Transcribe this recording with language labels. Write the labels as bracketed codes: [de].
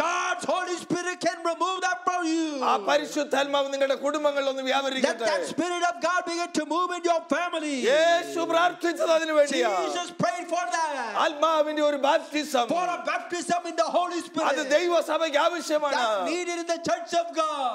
[en] God's Holy Spirit can remove that from you [ml] ആ പരിശുദ്ധ ആത്മാവ് നിങ്ങളുടെ കുടുംബങ്ങളിൽ ഒന്ന് വ്യാപരിക്കട്ടെ [en] that spirit of God begin to move in your family [ml] യേശു പ്രാർത്ഥിച്ചത് അതിനുവേണ്ടിയാ [en] Jesus prayed for that [ml] ആത്മാവിന്റെ ഒരു baptism [en] for a baptism in the Holy Spirit [ml] അത് ദൈവസഭയ്ക്ക് ആവശ്യമാണ് [en] that needed in the church of God